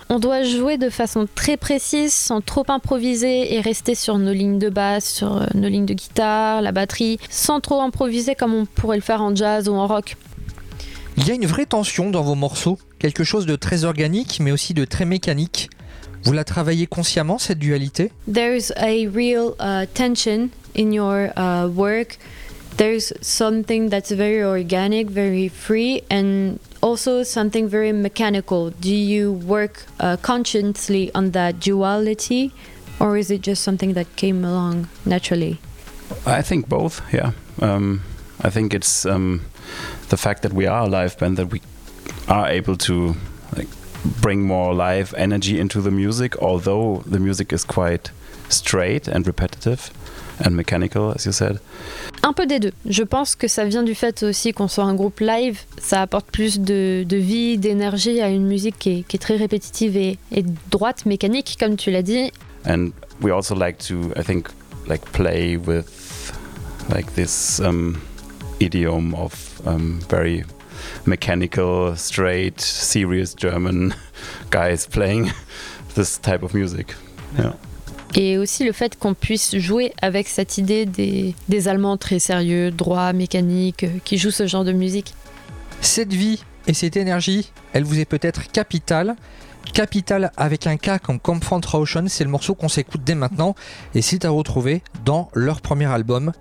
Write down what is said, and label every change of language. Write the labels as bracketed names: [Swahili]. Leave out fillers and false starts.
[French] On doit jouer de façon très précise, sans trop improviser et rester sur nos lignes de basse, sur nos lignes de guitare, la batterie, sans trop improviser comme on pourrait le faire en jazz ou en rock. Il y a une vraie tension dans vos morceaux, quelque chose de très organique mais aussi de très mécanique. Vous la travaillez consciemment, cette dualité ? [English] There is a real tension in your work. There's something that's very organic, very free, and also something very mechanical. Do you work consciously on that duality, or is it just something that came along naturally? I think both, yeah. I think it's the fact that we are a live band, that we are able to like, bring more live energy into the music, although the music is quite straight and repetitive. And mechanical, as you said. [French] Un peu des deux. Je pense que ça vient du fait aussi qu'on soit un groupe live. Ça apporte plus de vie, d'énergie à une musique qui est très répétitive et droite, mécanique, comme tu l'as dit. [English] And we also like to, I think, like play with like this idiom of very mechanical, straight, serious German guys playing this type of music. Yeah. [French] Et aussi le fait qu'on puisse jouer avec cette idée des Allemands très sérieux, droits, mécaniques, qui jouent ce genre de musique. Cette vie et cette énergie, elle vous est peut-être capitale. Capital avec un K comme Kampfhandrauschen, c'est le morceau qu'on s'écoute dès maintenant et c'est à retrouver dans leur premier album.